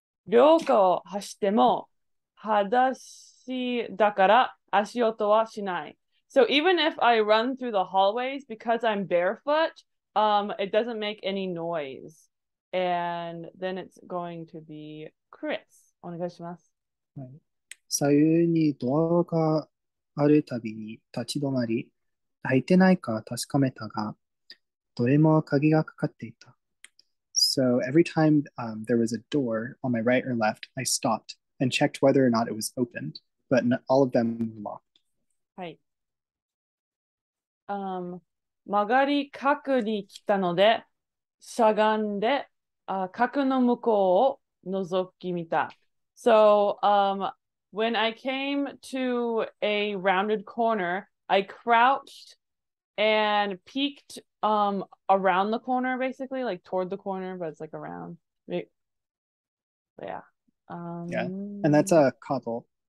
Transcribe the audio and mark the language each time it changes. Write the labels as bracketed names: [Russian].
[Japanese] Ryōko hashitemo hadashi dakara ashiyoto wa shinai. [English] So even if I run through the hallways because I'm barefoot, it doesn't make any noise. And then it's going to be Chris. Onegaishimasu. [Japanese] はい、左右にドアがあるたびに立ち止まり、開いてないか確かめたが、どれも鍵がかかっていた。 [English] So every time there was a door on my right or left, I stopped and checked whether or not it was opened, but all of them were locked. [Japanese] はい。曲がり角に来たので、しゃがんで、角の向こうを覗き見た。 [English] So, when I came to a rounded corner, I crouched and peeked around the corner, basically, like toward the corner, but it's like around. But yeah. Yeah, and that's a kado.